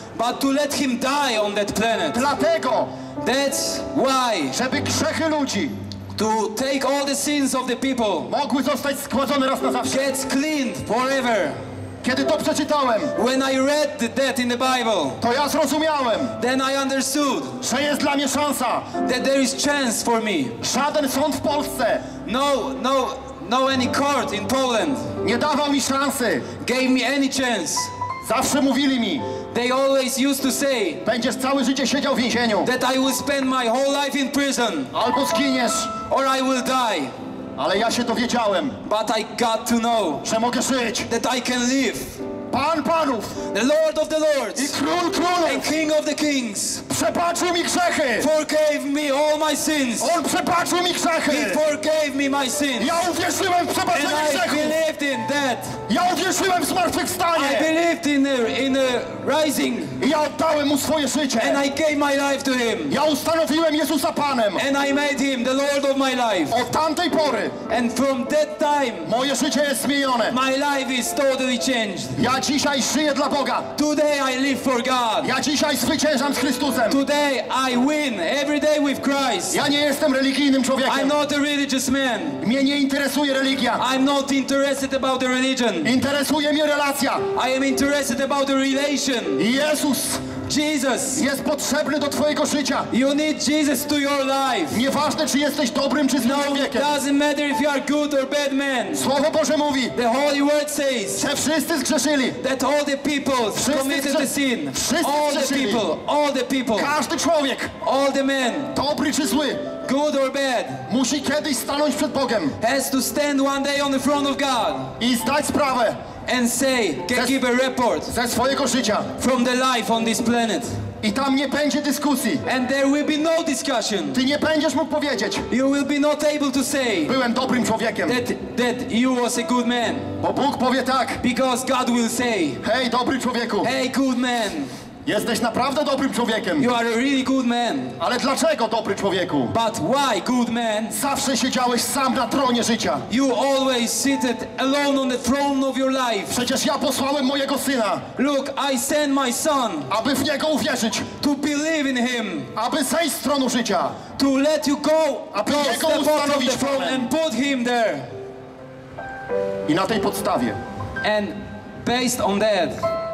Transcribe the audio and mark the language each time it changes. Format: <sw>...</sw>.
<en>But to let him die on that planet.</en> <pl>Dlatego.</pl> <en>That's why.</en> <pl>Żeby grzechy ludzi.</pl> <en>To take all the sins of the people.</en> <pl>Mogły zostać składzone raz na zawsze.</pl> <en>Gets cleaned forever.</en> <pl>Kiedy to przeczytałem.</pl> <en>When I read that in the Bible.</en> <pl>To ja zrozumiałem.</pl> <en>Then I understood.</en> <pl>Że jest dla mnie szansa.</pl> <en>That there is chance for me.</en> <pl>Żaden sąd w Polsce.</pl> <en>No any court in Poland.</en> <pl>Nie dawał mi szansy.</pl> <en>Gave me any chance.</en> <pl>Zawsze mówili mi.</pl> <en>They always used to say.</en> <pl>Będziesz całe życie siedział w więzieniu.</pl> <en>That I will spend my whole life in prison.</en> <pl>Albo zginiesz.</pl> <en>Or I will die.</en> <pl>Ale ja się dowiedziałem.</pl> <en>But I got to know.</en> <pl>Że mogę żyć.</pl> <en>That I can live.</en> <pl>Pan panów.</pl> <en>The Lord of the Lords.</en> <pl>I król królów.</pl> <en>And King of the Kings.</en> <pl>Przebaczył mi grzechy.</pl> <en>Forgave me all my sins.</en> <pl>On przebaczył mi grzechy.</pl> <en>He forgave me my sins.</en> <pl>Ja uwierzyłem w przebaczenie grzechów.</pl> <en>And I believed in that.</en> <pl>Ja uwierzyłem w zmartwychwstanie.</pl> <en>I believed in the rising.</en> <pl>I ja oddałem mu swoje życie.</pl> <en>And I gave my life to him.</en> <pl>Ja ustanowiłem Jezusa Panem.</pl> <en>And I made him the Lord of my life.</en> <pl>Od tamtej pory.</pl> <en>And from that time.</en> <pl>Moje życie jest zmienione.</pl> <en>My life is totally changed.</en> <pl>Ja dzisiaj żyję dla Boga.</pl> <en>Today I live for God.</en> <pl>Ja dzisiaj zwyciężam z Chrystusem.</pl> <en>Today I win every day with Christ.</en> <pl>Ja nie jestem religijnym człowiekiem.</pl> <en>I'm not a religious man.</en> <pl>Mnie nie interesuje religia.</pl> <en>I'm not interested about the religion.</en> <pl>Interesuje mnie relacja.</pl> <en>I am interested about the relation.</en> <pl>Jezus.</pl> <en>Jesus.</en> <pl>Jest potrzebny do twojego życia.</pl> <en>You need Jesus to your life.</en> <pl>Nieważne, czy jesteś dobrym, czy złym człowiekiem.</pl> <en>It doesn't matter if you are good or bad man.</en> <pl>Słowo Boże mówi.</pl> <en>The Holy Word says.</en> <pl>Że wszyscy zgrzeszyli.</pl> <en>That all the people committed the sin.</en> <pl>Wszyscy</pl> <en>all</en> <pl>zgrzeszyli.</pl> <en>The people. All the people.</en> <pl>Każdy człowiek.</pl> <en>All the men.</en> <pl>Dobry czy zły.</pl> <en>Good or bad.</en> <pl>Musi kiedyś stanąć przed Bogiem.</pl> <en>Has to stand one day on the front of God.</en> <pl>I zdać sprawę.</pl> <en>And say, give a report</en> <pl>ze swojego życia.</pl> <en>From the life on this planet.</en> <pl>I tam nie będzie dyskusji.</pl> <en>And there will be no discussion.</en> <pl>Ty nie będziesz mógł powiedzieć.</pl> <en>You will be not able to say.</en> <pl>Byłem dobrym człowiekiem.</pl> <en>That you was a good man.</en> <pl>Bo Bóg powie tak.</pl> <en>Because God will say.</en> <pl>Hej, dobry człowieku.</pl> <en>Hey, good man.</en> <pl>Jesteś naprawdę dobrym człowiekiem.</pl> <en>You are a really good man.</en> <pl>Ale dlaczego dobry człowieku?</pl> <en>But why, good man?</en> <pl>Zawsze siedziałeś sam na tronie życia.</pl> <en>You always seated alone on the throne of your life.</en> <pl>Przecież ja posłałem mojego syna.</pl> <en>Look, I sent my son.</en> <pl>Aby w niego uwierzyć.</pl> <en>To believe in him.</en> <pl>Aby zejść z tronu życia.</pl> <en>To let you go.</en> <pl>Aby jego ustanowić panem.</pl> <en>And put him there.</en> <pl>I na tej podstawie.</pl> <en>And based on that.</en>